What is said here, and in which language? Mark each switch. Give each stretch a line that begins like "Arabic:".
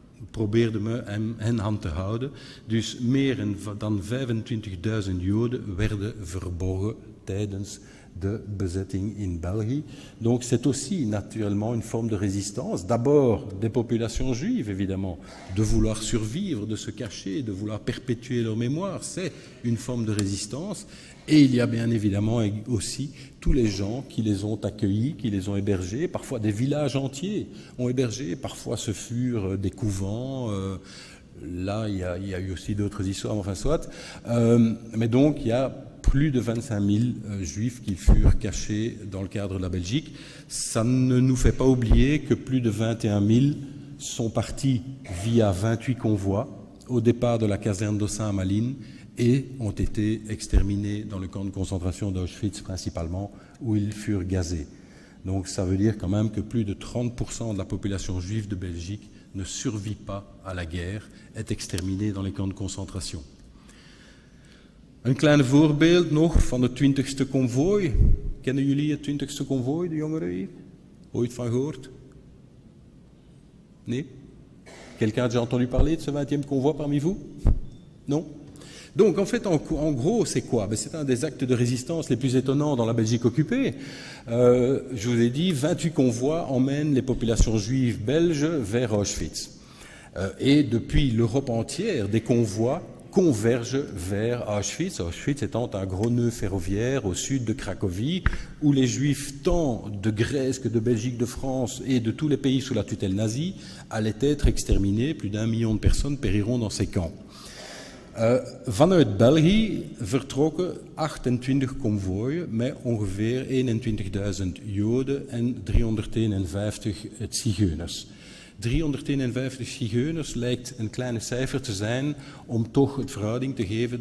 Dutch: Probeerden we hen hand te houden. Dus meer dan 25.000 Joden werden verborgen tijdens de bezetting in België.
French: Donc c'est aussi naturellement une forme de résistance, d'abord des populations juives évidemment, de vouloir survivre, de se cacher, de vouloir perpétuer leur mémoire, c'est une forme de résistance. Et il y a bien évidemment aussi tous les gens qui les ont accueillis, qui les ont hébergés, parfois des villages entiers ont hébergé, parfois ce furent des couvents. Là il y a eu aussi d'autres histoires, enfin soit. Mais donc il y a plus de 25 000 juifs qui furent cachés dans le cadre de la Belgique. Ça ne nous fait pas oublier que plus de 21 000 sont partis via 28 convois au départ de la caserne d'Ossin à Malines et ont été exterminés dans le camp de concentration d'Auschwitz principalement, où ils furent gazés. Donc ça veut dire quand même que plus de 30% de la population juive de Belgique ne survit pas à la guerre, est exterminée dans les camps de concentration.
Dutch: Een klein voorbeeld nog van de 20ste convoi. Kennen jullie het 20e convoy, de jongeren hier? Ooit van gehoord? Nee?
French: Quelqu'un a déjà entendu parler de ce 20e convoi parmi vous? Non? Donc, en fait, en gros, c'est quoi? Ben, c'est un des actes de résistance les plus étonnants dans la Belgique occupée. Je vous ai dit, 28 convois emmènent les populations juives belges vers Auschwitz. Et depuis l'Europe entière, des convois convergent vers Auschwitz, Auschwitz étant un gros nœud ferroviaire au sud de Cracovie, où les Juifs, tant de Grèce que de Belgique, de France et de tous les pays sous la tutelle nazie, allaient être exterminés. Plus d'un million de personnes périront dans ces camps.
Dutch: Vanuit België vertrokken 28 convoyen met ongeveer 21.000 Joden en 351 Zigeuners. 351 Zigeuners lijkt een kleine cijfer te zijn om toch het verhouding te geven.